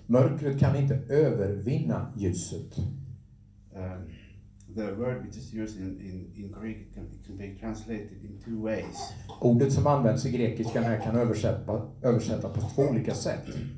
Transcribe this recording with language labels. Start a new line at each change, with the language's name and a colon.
Swedish: Mörkret kan inte övervinna ljuset.
English: The word which is used in Greek can be translated in two ways.
Swedish: Ordet som används i grekiskan här kan översätta på två olika sätt.